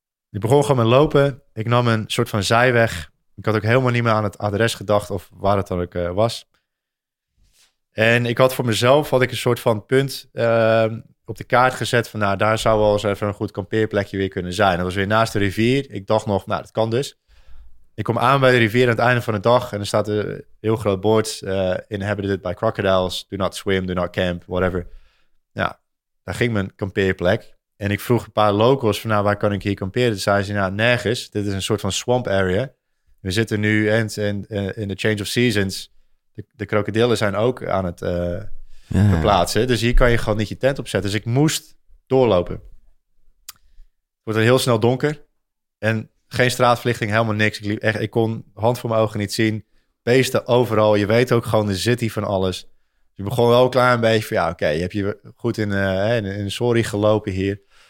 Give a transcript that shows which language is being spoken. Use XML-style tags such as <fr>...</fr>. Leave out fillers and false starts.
<nl>Ik begon gewoon met lopen. Ik nam een soort van zijweg. Ik had ook helemaal niet meer aan het adres gedacht of waar het dan ook was. En ik had voor mezelf had ik een soort van punt op de kaart gezet van, nou, daar zou wel eens even een goed kampeerplekje weer kunnen zijn. Dat was weer naast de rivier. Ik dacht nog, nou, dat kan dus. Ik kom aan bij de rivier aan het einde van de dag en er staat een heel groot bord.</nl> <en>Inhabited by crocodiles. Do not swim, do not camp, whatever.</en> <nl>Ja, daar ging mijn kampeerplek. En ik vroeg een paar locals van, nou, waar kan ik hier kamperen? Toen zeiden ze, nou, nergens. Dit is een soort van</nl> <en>swamp area.</en> <nl>We zitten nu in</nl> <en>the change of seasons.</en> <nl>De krokodillen zijn ook aan het verplaatsen. Dus hier kan je gewoon niet je tent opzetten. Dus ik moest doorlopen. Het wordt heel snel donker. En geen straatverlichting, helemaal niks. Ik kon hand voor mijn ogen niet zien. Beesten overal. Je weet ook gewoon, er zit hier van alles. Dus ik begon wel klaar een beetje van, ja, oké, je hebt je goed in sorry gelopen hier.</nl>